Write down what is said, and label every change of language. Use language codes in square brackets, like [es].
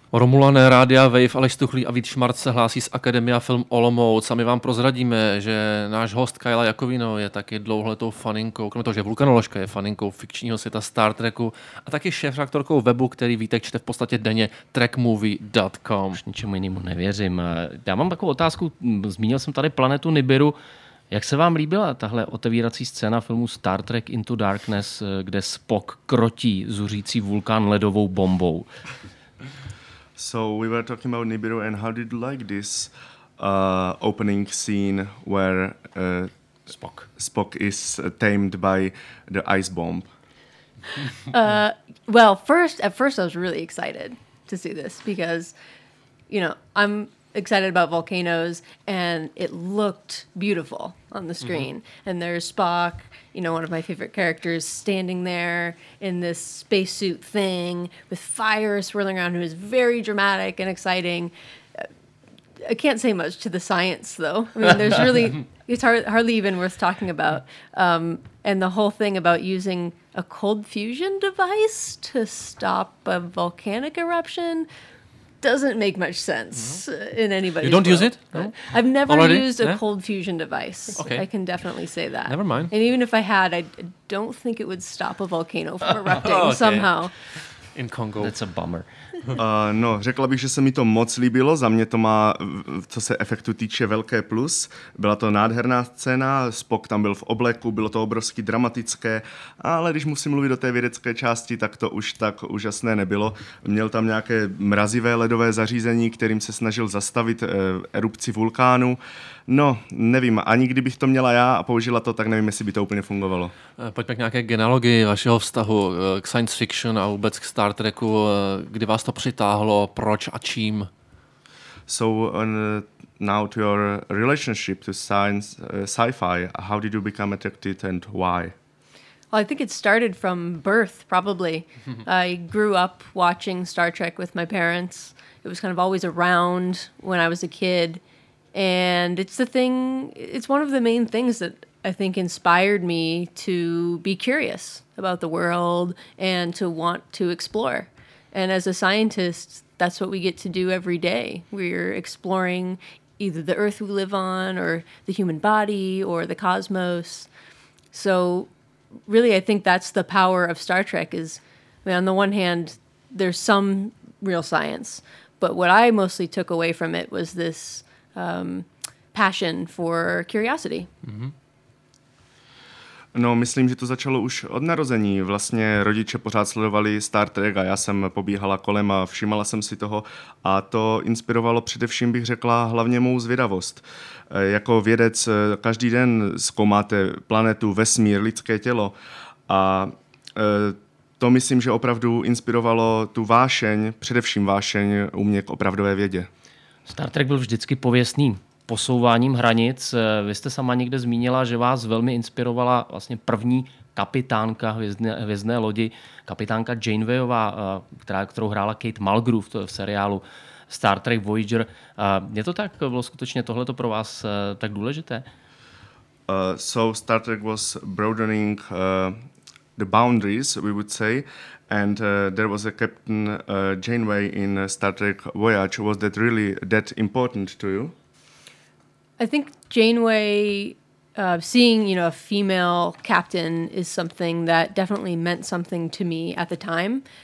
[cs] Romulané, Rádia Wave, Aleš Tuchlý a Vít Šmart se hlásí z Akademia Film Olomouc. A my vám prozradíme, že náš host Kajla Jakovino je taky dlouholetou faninkou, kromě toho, že vulkanoložka je faninkou fikčního světa Star Treku, a taky šéfredaktorkou webu, který Vítek čte v podstatě denně, trekmovie.com. Už ničemu jinému nevěřím. Já mám takovou otázku, zmínil jsem tady planetu Nibiru. Jak se vám líbila tahle otevírací scéna filmu Star Trek Into Darkness, kde Spock krotí zuřící vulkán ledovou bombou? [en] So we were talking about Nibiru, and how did you like this opening scene where Spock is tamed by the ice bomb? Well, at first I was really excited to see this because, you know, I'm excited about volcanoes, and it looked beautiful on the screen. Mm-hmm. And there's Spock, you know, one of my favorite characters, standing there in this spacesuit thing with fire swirling around, who is very dramatic and exciting. I can't say much to the science, though. I mean, there's really, it's hardly even worth talking about. And the whole thing about using a cold fusion device to stop a volcanic eruption doesn't make much sense in anybody's world. You don't use it? I've never used a cold fusion device. Okay. I can definitely say that. Never mind. And even if I had, I don't think it would stop a volcano from erupting somehow. In Congo. That's a bummer. [cs] No, řekla bych, že se mi to moc líbilo. Za mě to má, co se efektu týče, velké plus. Byla to nádherná scéna, Spock tam byl v obleku, bylo to obrovsky dramatické, ale když musím mluvit o té vědecké části, tak to už tak úžasné nebylo. Měl tam nějaké mrazivé ledové zařízení, kterým se snažil zastavit erupci vulkánu. No, nevím, ani kdybych to měla já a použila to, tak nevím, jestli by to úplně fungovalo. Pojďme k nějaké genealogii vašeho vztahu k science fiction a vůbec k Star Treku. Kdy vás to přitáhlo, proč a čím? [en] So, now to your relationship to science, sci-fi. How did you become attracted and why? Well, I think it started from birth, probably. I grew up watching Star Trek with my parents. It was kind of always around when I was a kid. And it's the thing, it's one of the main things that I think inspired me to be curious about the world and to want to explore. And as a scientist, that's what we get to do every day. We're exploring either the Earth we live on or the human body or the cosmos. So really, I think that's the power of Star Trek is, I mean, on the one hand, there's some real science, but what I mostly took away from it was this passion for curiosity. [cs] No, myslím, že to začalo už od narození. Vlastně rodiče pořád sledovali Star Trek a já jsem pobíhala kolem a všimala jsem si toho. A to inspirovalo především, bych řekla, hlavně mou zvědavost. Jako vědec každý den zkoumáte planetu, vesmír, lidské tělo. A to myslím, že opravdu inspirovalo tu vášeň, především vášeň u mě k opravdové vědě. Star Trek byl vždycky pověstný posouváním hranic. Vy jste sama někde zmínila, že vás velmi inspirovala vlastně první kapitánka hvězdné lodi, kapitánka Janewayová, kterou hrála Kate Mulgrew v seriálu Star Trek Voyager. Je to tak, bylo skutečně tohleto pro vás tak důležité? [en] So Star Trek was broadening the boundaries, we would say. And there was a Captain Janeway in Star Trek Voyage. Was that really that important to you? I think Janeway, seeing, you know, a female captain is something that definitely meant something to me at the time.